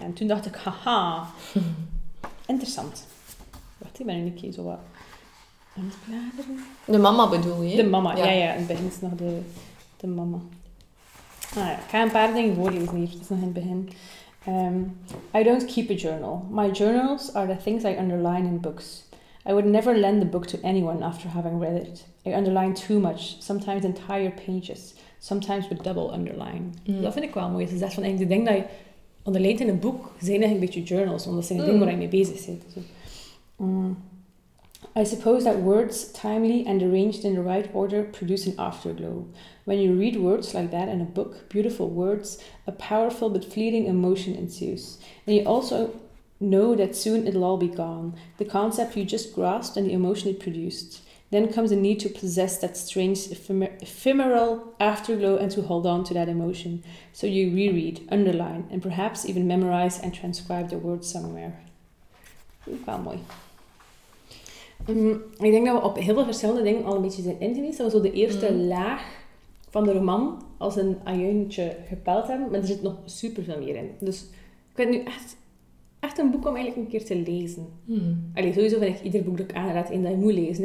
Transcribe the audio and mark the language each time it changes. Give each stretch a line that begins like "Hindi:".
Dutch: En toen dacht ik, haha, interessant. Wacht, ik ben een keer zo wat aan het bladeren. De mama bedoel je? De mama, ja. In het begin is nog de mama. Nou ja, ik ga een paar dingen voorlezen hier. Het is nog in het begin.
English: I don't keep a journal. My journals are the things I underline in books. I would never lend the book to anyone after having read it. I underline too much, sometimes entire pages, sometimes with double underline. Mm.
Dutch: Dat vind ik wel mooi. Het is echt van eigenlijk de dingen die je onderlijnt in een boek zijn eigenlijk een beetje journals, omdat zijn dingen waar je mee bezig zit.
English: So, I suppose that words, timely and arranged in the right order, produce an afterglow. When you read words like that in a book, beautiful words, a powerful but fleeting emotion ensues. And you also know that soon it'll all be gone. The concept you just grasped and the emotion it produced. Then comes the need to possess that strange ephemeral afterglow and to hold on to that emotion. So you reread, underline, and perhaps even memorize and transcribe the words somewhere. Well,
Dutch: mooi. Ik denk dat we op heel veel verschillende dingen al een beetje zijn ingewezen. Dat we zo de eerste laag van de roman als een ajuintje gepeld hebben. Maar er zit nog superveel meer in. Dus ik vind het nu echt een boek om eigenlijk een keer te lezen. Hmm. Allee, sowieso vind ik ieder boek dat ik aanraad één dat je moet lezen.